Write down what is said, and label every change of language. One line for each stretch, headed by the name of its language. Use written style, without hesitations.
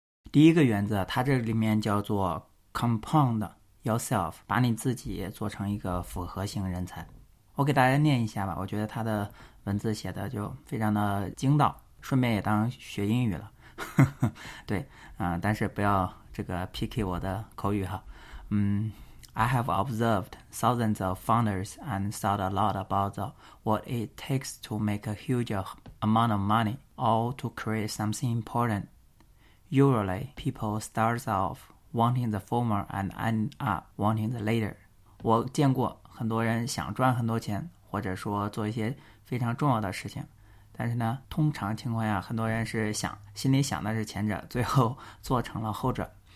Chinese: 第一个原则，它这里面叫做
English: compound yourself，
Chinese: 把你自己做成一个复合型人才。我给大家念一下吧，我觉得他的文字写的就非常的精到，顺便也当学英语了。对啊，但是不要这个 PK 我的口语哈。
English: I have observed thousands of founders and thought a lot about what it takes to make a huge amount of money or to create something important. Usually, people start off wanting the former and end up wanting the later.
Chinese: 我见过很多人想赚很多钱，或者说做一些非常重要的事情。但是呢，通常情况下，很多人是想心里想的是前者，最后做成了后者。